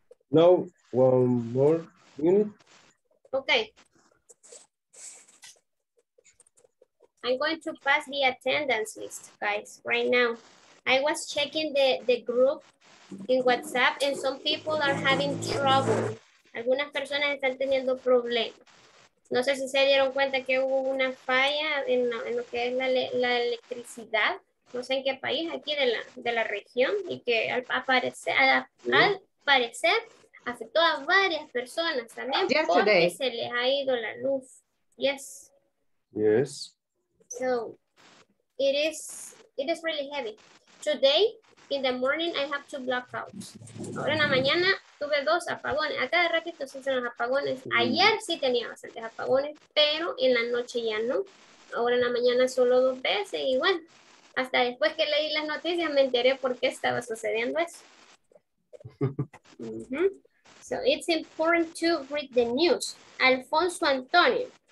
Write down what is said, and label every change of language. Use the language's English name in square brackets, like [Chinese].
[English] No, one more unit. Okay. I'm going to pass the attendance list, guys, right now. I was checking the group in WhatsApp and some people are having trouble. [Spanish] Algunas personas están teniendo problemas. No sé si se dieron cuenta que hubo una falla en lo que es la electricidad. No sé en qué país, aquí de la región, y que al parecer afectó a varias personas también. [English] Yesterday. [Spanish] Porque se les ha ido la luz. [English] Yes. Yes. So, it is really heavy. Today, in the morning, I have two blackouts. [Spanish] Ahora en la mañana tuve dos apagones. A cada ratito se hicieron los apagones. Ayer sí tenía bastantes apagones, pero en la noche ya no. Ahora en la mañana solo dos veces y bueno, hasta después que leí las noticias me enteré por qué estaba sucediendo eso. [English] So, it's important to read the news. Alfonso Antonio.